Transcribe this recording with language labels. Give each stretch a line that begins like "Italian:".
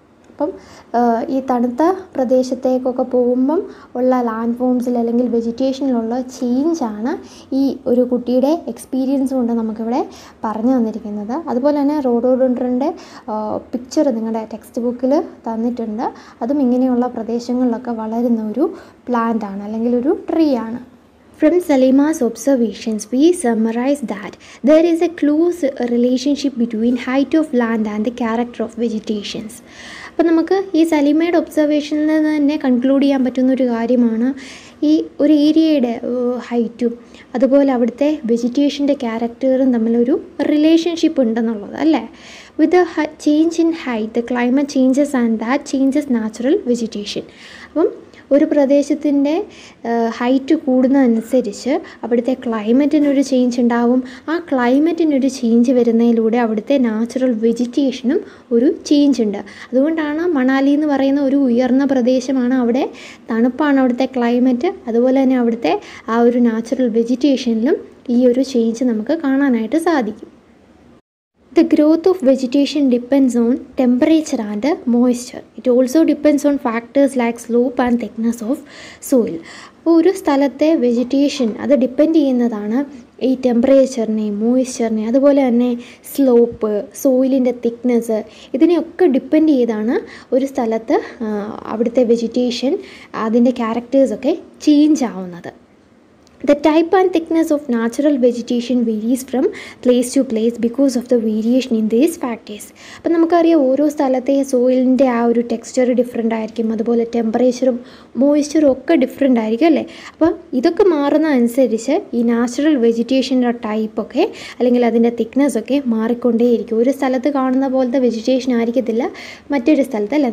Malayalam: അപ്പം ഈ തണുത്ത പ്രദേശത്തേക്കൊക്കെ പോകുമ്പം ഉള്ള ലാൻഡ് ഫോംസിൽ അല്ലെങ്കിൽ വെജിറ്റേഷനിലുള്ള ചേഞ്ചാണ് ഈ ഒരു കുട്ടിയുടെ എക്സ്പീരിയൻസ് കൊണ്ട് നമുക്കിവിടെ പറഞ്ഞു തന്നിരിക്കുന്നത്. അതുപോലെ തന്നെ റോഡോഡെൻഡ്രൻ്റെ പിക്ചർ നിങ്ങളുടെ ടെക്സ്റ്റ് ബുക്കിൽ തന്നിട്ടുണ്ട്. അതും ഇങ്ങനെയുള്ള പ്രദേശങ്ങളിലൊക്കെ വളരുന്ന ഒരു പ്ലാന്റ് ആണ് അല്ലെങ്കിൽ ഒരു ട്രീ ആണ്.
English: From Salima's observations, we summarize that there is a close relationship between height of land and the character of vegetation.
Malayalam: അപ്പോൾ നമുക്ക് ഈ സലീമയുടെ ഒബ്സർവേഷനിൽ നിന്ന് തന്നെ കൺക്ലൂഡ് ചെയ്യാൻ പറ്റുന്ന ഒരു കാര്യമാണ് ഈ ഒരു ഏരിയയുടെ ഹൈറ്റും അതുപോലെ അവിടുത്തെ വെജിറ്റേഷൻ്റെ ക്യാരക്ടറും തമ്മിലൊരു റിലേഷൻഷിപ്പ് ഉണ്ടെന്നുള്ളത് അല്ലേ.
English: With change in height the climate changes and that changes natural vegetation.
Malayalam: അപ്പം ഒരു പ്രദേശത്തിൻ്റെ ഹൈറ്റ് കൂടുന്നതനുസരിച്ച് അവിടുത്തെ ക്ലൈമറ്റിനൊരു ചേഞ്ച് ഉണ്ടാവും. ആ ക്ലൈമറ്റിനൊരു ചേഞ്ച് വരുന്നതിലൂടെ അവിടുത്തെ നാച്ചുറൽ വെജിറ്റേഷനും ഒരു ചേഞ്ച് ഉണ്ട്. അതുകൊണ്ടാണ് മണാലി എന്ന് പറയുന്ന ഒരു ഉയർന്ന പ്രദേശമാണ്, അവിടെ തണുപ്പാണ് അവിടുത്തെ ക്ലൈമറ്റ്, അതുപോലെ തന്നെ അവിടുത്തെ ആ ഒരു നാച്ചുറൽ വെജിറ്റേഷനിലും ഈ ഒരു ചേഞ്ച് നമുക്ക് കാണാനായിട്ട് സാധിക്കും.
English: The growth of vegetation depends on temperature and moisture. It also depends on factors like slope and thickness of soil.
Malayalam: ഒരു സ്ഥലത്തെ വെജിറ്റേഷൻ അത് ഡിപ്പെൻഡ് ചെയ്യുന്നതാണ് ഈ ടെമ്പറേച്ചറിനെ മോയിസ്ചറിനെ അതുപോലെ തന്നെ സ്ലോപ്പ് സോയിലിൻ്റെ തിക്നെസ് ഇതിനെയൊക്കെ ഡിപ്പെൻഡ് ചെയ്താണ് ഒരു സ്ഥലത്ത് അവിടുത്തെ വെജിറ്റേഷൻ അതിൻ്റെ ക്യാരക്ടേഴ്സൊക്കെ ചേഞ്ച് ആവുന്നത്.
English: The type and thickness of natural vegetation varies from place to place because of the variation in these factors.
Malayalam: അപ്പം നമുക്കറിയാം ഓരോ സ്ഥലത്തെ സോയിലിൻ്റെ ആ ഒരു ടെക്സ്ചർ ഡിഫറെൻ്റ് ആയിരിക്കും, അതുപോലെ ടെമ്പറേച്ചറും മോയ്സ്ചറും ഒക്കെ ഡിഫറെൻ്റ് ആയിരിക്കും അല്ലേ. അപ്പം ഇതൊക്കെ മാറുന്നതനുസരിച്ച് ഈ നാച്ചുറൽ വെജിറ്റേഷൻ്റെ ടൈപ്പൊക്കെ അല്ലെങ്കിൽ അതിൻ്റെ തിക്നെസ്സൊക്കെ മാറിക്കൊണ്ടേയിരിക്കും. ഒരു സ്ഥലത്ത് കാണുന്ന പോലത്തെ വെജിറ്റേഷൻ ആയിരിക്കത്തില്ല മറ്റൊരു സ്ഥലത്ത് അല്ലേ.